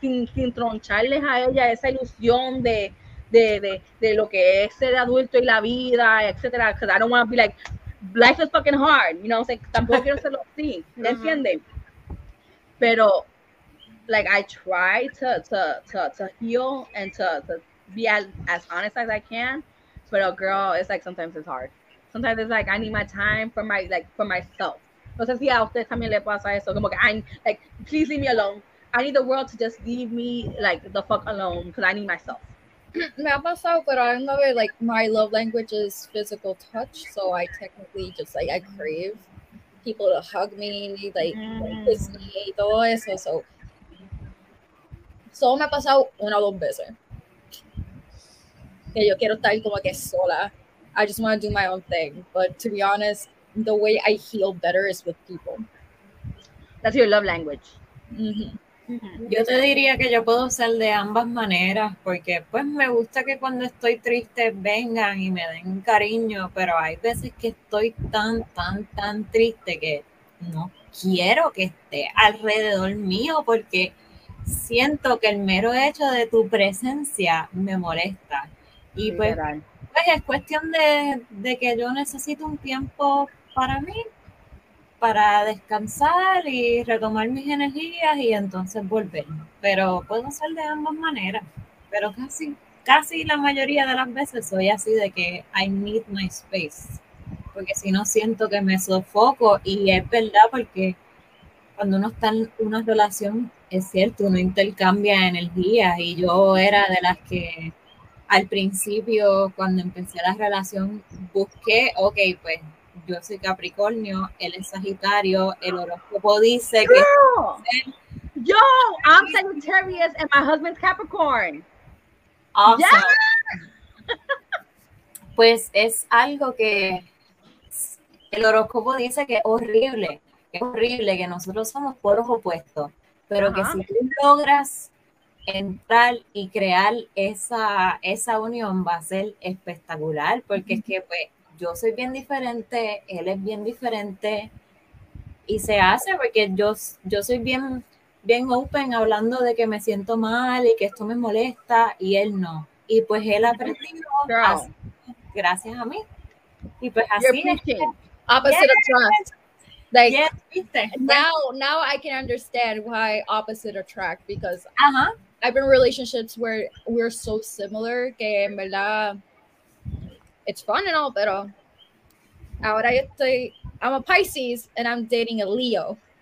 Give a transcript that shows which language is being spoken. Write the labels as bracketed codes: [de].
[es] Sin troncharles a ella esa ilusión de lo que es ser adulto y la vida, etcétera, [en] because I don't want to be like, life is fucking hard, you know, [es] o sea, tampoco quiero hacerlo así, ¿me entienden? [en] Pero, like, I try to heal and to be as honest as I can, but a girl, it's like, sometimes it's hard. Sometimes it's like, I need my time for myself. [es] No sé si a ustedes también le pasa eso, como que, [en] please leave me alone. I need the world to just leave me, like, the fuck alone, because I need myself. [es] Me ha pasado, pero [en] I know it, like, my love language is physical touch, so I technically just, like, I crave people to hug me, like, kiss me, [es] todo eso, [en] so. [es] Solo me ha pasado una o dos veces. Que yo quiero estar como que sola. [en] I just want to do my own thing. But to be honest, the way I heal better is with people. That's your love language. Mm-hmm. [es] Yo te diría que yo puedo ser de ambas maneras, porque pues me gusta que cuando estoy triste vengan y me den cariño, pero hay veces que estoy tan, tan, tan triste que no quiero que esté alrededor mío, porque siento que el mero hecho de tu presencia me molesta. Y pues es cuestión de que yo necesito un tiempo para mí, para descansar y retomar mis energías y entonces volver. Pero puedo ser de ambas maneras. Pero casi, casi la mayoría de las veces soy así de que [en] I need my space. [es] Porque si no, siento que me sofoco. Y es verdad, porque cuando uno está en una relación, es cierto, uno intercambia energías. Y yo era de las que al principio, cuando empecé la relación, busqué, ok, pues, yo soy Capricornio, él es Sagitario, el horóscopo dice que... [en] Girl, yo, I'm Sagittarius and my husband's Capricorn. Awesome. Yeah. [es] Pues es algo que el horóscopo dice que es horrible que nosotros somos polos opuestos, pero que si tú logras entrar y crear esa unión va a ser espectacular, porque es que pues yo soy bien diferente, él es bien diferente, y se hace porque yo soy bien, bien open hablando de que me siento mal y que esto me molesta, y él no. Y pues él aprendió así, gracias a mí. Y pues así es. [en] Opposite of trust. Like, now I can understand why opposite attract, because I've been in relationships where we're so similar [es] que en verdad... [en] It's fun and all, [es] pero ahora yo estoy, [en] I'm a Pisces and I'm dating a Leo.